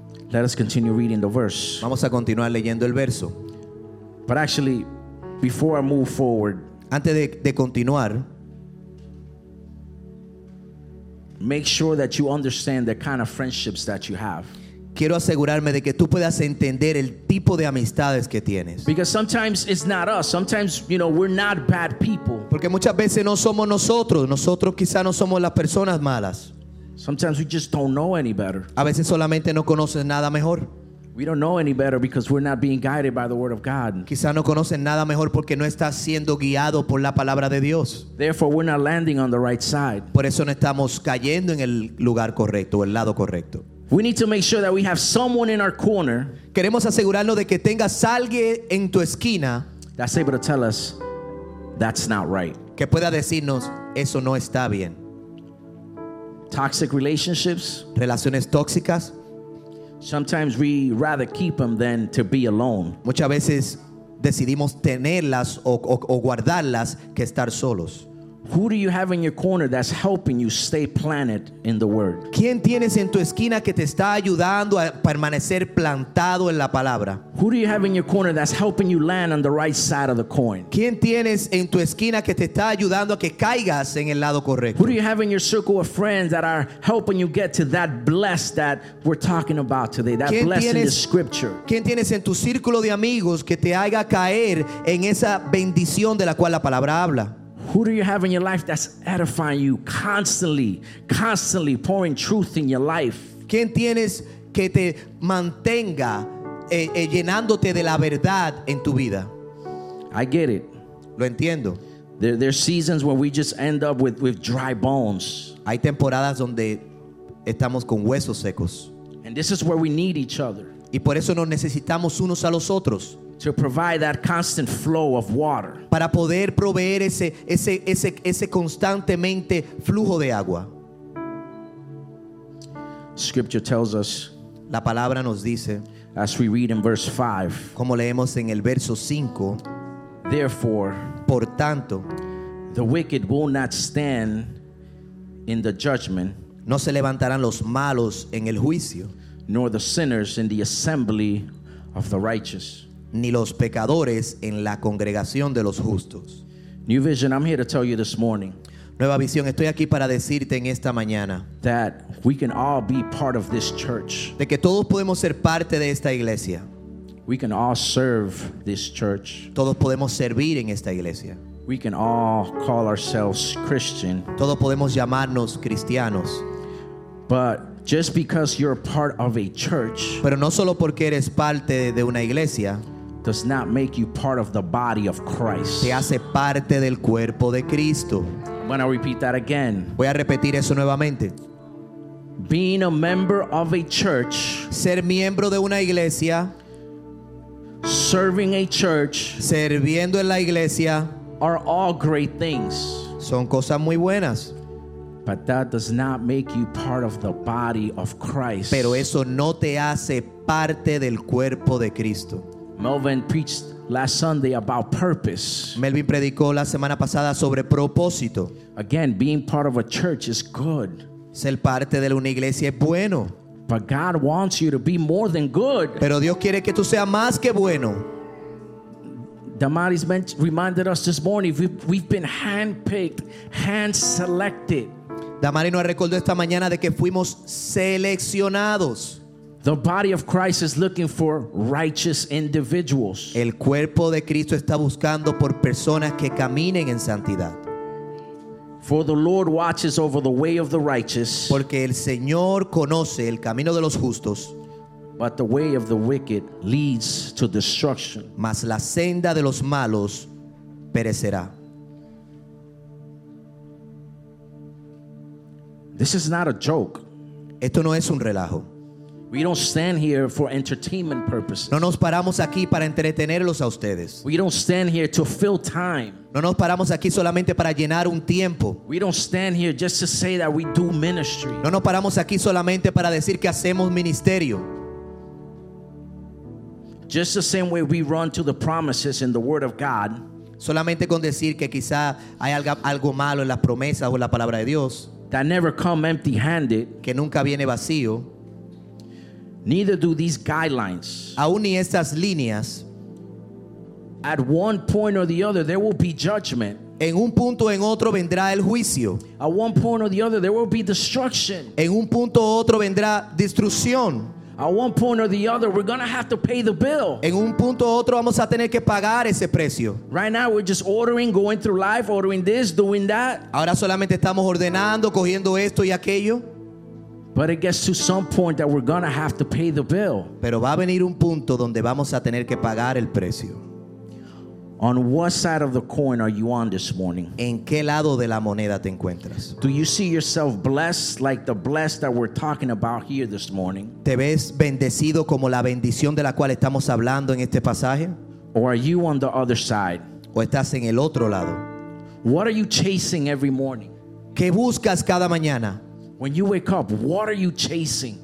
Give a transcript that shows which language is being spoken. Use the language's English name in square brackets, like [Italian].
[English] Let us continue reading the verse. [Spanish] Vamos a continuar leyendo el verso. [English] But actually, before I move forward, [Spanish] antes de continuar, [English] make sure that you understand the kind of friendships that you have. [Spanish] Quiero asegurarme de que tú puedas entender el tipo de amistades que tienes. [English] Because sometimes it's not us. Sometimes, you know, we're not bad people. [Spanish] Porque muchas veces no somos nosotros. Nosotros quizás no somos las personas malas. [English] Sometimes we just don't know any better. [Spanish] A veces solamente no conoces nada mejor. [English] We don't know any better because we're not being guided by the word of God. [Spanish] Quizás no conoces nada mejor porque no estás siendo guiado por la palabra de Dios. [English] Therefore, we're not landing on the right side. [Spanish] Por eso no estamos cayendo en el lugar correcto, el lado correcto. [English] We need to make sure that we have someone in our corner. [Spanish] Queremos asegurarnos de que tengas alguien en tu esquina. [English] That's able to tell us that's not right. [Spanish] Que pueda decirnos eso no está bien. [English] Toxic relationships. [Spanish] Relaciones tóxicas. [English] Sometimes we rather keep them than to be alone. [Spanish] Muchas veces decidimos tenerlas o guardarlas que estar solos. [English] Who do you have in your corner that's helping you stay planted in the word? [Spanish] ¿Quién tienes en tu esquina que te está ayudando a permanecer plantado en la palabra? [English] Who do you have in your corner that's helping you land on the right side of the coin? [Spanish] ¿Quién tienes en tu esquina que te está ayudando a que caigas en el lado correcto? [English] Who do you have in your circle of friends that are helping you get to that bless that we're talking about today? That bless in the scripture. [Spanish] ¿Quién tienes en tu círculo de amigos que te haga caer en esa bendición de la cual la palabra habla? [English] Who do you have in your life that's edifying you constantly, constantly pouring truth in your life? [Spanish] ¿Quién tienes que te mantenga llenándote de la verdad en tu vida? [English] I get it. [Spanish] Lo entiendo. [English] There's seasons where we just end up with dry bones. [Spanish] Hay temporadas donde estamos con huesos secos. [English] And this is where we need each other. [Spanish] Y por eso nos necesitamos unos a los otros. [English] To provide that constant flow of water. [Spanish] Para poder proveer ese constantemente flujo de agua. [English] Scripture tells us. [Spanish] La palabra nos dice. [English] As we read in verse 5. [Spanish] Como leemos en el verso 5. [English] Therefore. [Spanish] Por tanto. [English] The wicked will not stand in the judgment. [Spanish] No se levantarán los malos en el juicio. [English] Nor the sinners in the assembly of the righteous. [Spanish] Ni los pecadores en la congregación de los justos. [English] New Vision, I'm here to tell you this morning. [Spanish] Nueva Visión, estoy aquí para decirte en esta mañana. [English] That we can all be part of this church. [Spanish] De que todos podemos ser parte de esta iglesia. [English] We can all serve this church. [Spanish] Todos podemos servir en esta iglesia. [English] We can all call ourselves Christian. [Spanish] Todos podemos llamarnos cristianos. [English] But just because you're part of a church, [Spanish] pero no solo porque eres parte de una iglesia, [English] does not make you part of the body of Christ. [Spanish] Te hace parte del cuerpo de Cristo. [English] I'm going to repeat that again. [Spanish] Voy a repetir eso nuevamente. [English] Being a member of a church, [Spanish] ser miembro de una iglesia, [English] serving a church, [Spanish] sirviendo en la iglesia, [English] are all great things. [Spanish] Son cosas muy buenas. [English] But that does not make you part of the body of Christ. [Spanish] Pero eso no te hace parte del cuerpo de Cristo. [English] Melvin preached last Sunday about purpose. [Spanish] Melvin predicó la semana pasada sobre propósito. [English] Again, being part of a church is good. [Spanish] Ser parte de una iglesia es bueno. [English] But God wants you to be more than good. [Spanish] Pero Dios quiere que tú seas más que bueno. [English] Damaris reminded us this morning, we've been handpicked, hand selected. [Spanish] Damaris nos recordó esta mañana de que fuimos seleccionados. [English] The body of Christ is looking for righteous individuals. [Spanish] El cuerpo de Cristo está buscando por personas que caminen en santidad. [English] For the Lord watches over the way of the righteous. [Spanish] Porque el Señor conoce el camino de los justos. [English] But the way of the wicked leads to destruction. [Spanish] Mas la senda de los malos perecerá. [English] This is not a joke. [Spanish] Esto no es un relajo. [English] We don't stand here for entertainment purposes. [Spanish] No nos paramos aquí para entretenerlos a ustedes. [English] We don't stand here to fill time. [Spanish] No nos paramos aquí solamente para llenar un tiempo. [English] We don't stand here just to say that we do ministry. [Spanish] No nos paramos aquí solamente para decir que hacemos ministerio. [English] Just the same way we run to the promises in the Word of God. [Spanish] Solamente con decir que quizá hay algo malo en las promesas o en la palabra de Dios. [English] That never come empty-handed. [Spanish] Que nunca viene vacío. [English] Neither do these guidelines. [Spanish] Aún ni estas líneas. [English] At one point or the other, there will be judgment. [Spanish] En un punto en otro vendrá el juicio. [English] At one point or the other, there will be destruction. [Spanish] En un punto u otro vendrá destrucción. [English] At one point or the other, we're going to have to pay the bill. [Spanish] En un punto u otro vamos a tener que pagar ese precio. [English] Right now, we're just ordering, going through life, ordering this, doing that. [Spanish] Ahora solamente estamos ordenando, cogiendo esto y aquello. [English] But it gets to some point that we're going to have to pay the bill. [Spanish] Pero va a venir un punto donde vamos a tener que pagar el precio. [English] On what side of the coin are you on this morning? [Spanish] ¿En qué lado de la moneda te encuentras? [English] Do you see yourself blessed like the blessed that we're talking about here this morning? [Spanish] ¿Te ves bendecido como la bendición de la cual estamos hablando en este pasaje? [English] Or are you on the other side? [Spanish] ¿O estás en el otro lado? [English] What are you chasing every morning? [Spanish] ¿Qué buscas cada mañana? [English] When you wake up, what are you chasing?